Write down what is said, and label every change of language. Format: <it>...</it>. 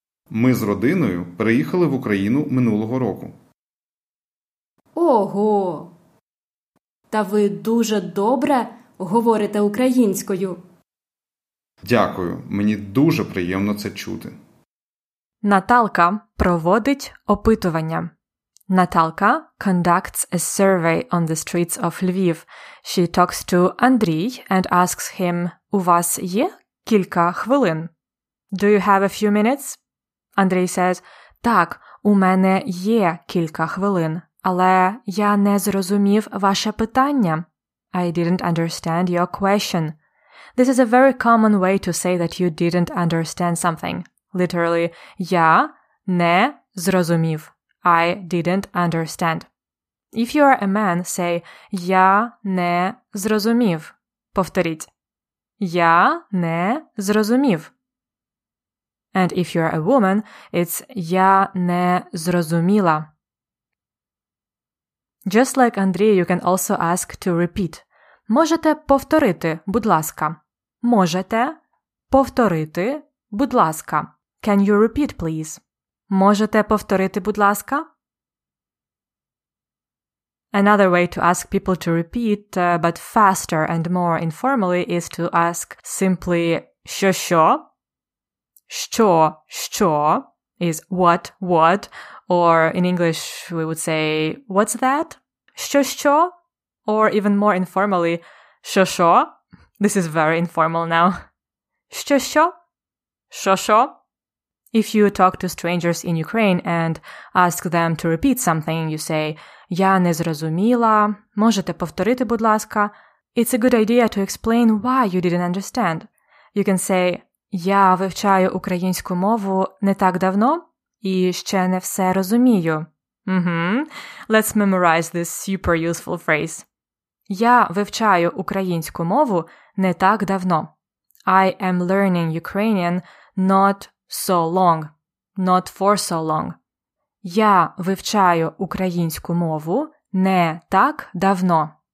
<uk>Ми з родиною приїхали в Україну минулого року. Ого! Та ви дуже добре говорите українською. Дякую, мені дуже приємно це чути. Наталка проводить опитування.</uk> <en>Наталка conducts a survey on the streets of Lviv. She talks to Andrii and asks him,</en> <uk>«У вас є кілька хвилин?»</uk> <en>«Do you have a few minutes?» Андрій says,</en> <uk>«Так, у мене є кілька хвилин, але я не зрозумів ваше питання».</uk> <en>«I didn't understand your question». This is a very common way to say that you didn't understand something.</en> <uk>Literally, я не зрозумів.</uk> <en>I didn't understand. If you are a man, say</en> <uk>я не зрозумів. Повторіть. Я не зрозумів.</uk> <en>And if you are a woman, it's</en> <uk>я не зрозуміла.</uk> <en>Just like Андрій, you can also ask to repeat.</en> <uk>Можете повторити, будь ласка. Можете повторити, будь ласка.</uk> <en>Can you repeat, please?</en> <uk>Можете повторити, будь ласка?</uk> <en>Another way to ask people to repeat, but faster and more informally, is to ask simply що-що. Що-що is what-what, or in English we would say what's that?</en> <uk>Що-що?</uk> <en>Or even more informally, що-що. This is very informal now.</en> <uk>Що-що? Що-що?</uk> <en>If you talk to strangers in Ukraine and ask them to repeat something, you say</en> <uk>«Я не зрозуміла», «Можете повторити, будь ласка?»</uk> <en>It's a good idea to explain why you didn't understand. You can say</en> <uk>«Я вивчаю українську мову не так давно і ще не все розумію».</uk> <en>Let's memorize this super useful phrase.</en> <uk>«Я вивчаю українську мову не так давно».</uk> <en>I am learning Ukrainian not so long, not for so long.</en> <uk>Я вивчаю українську мову не так давно.</uk>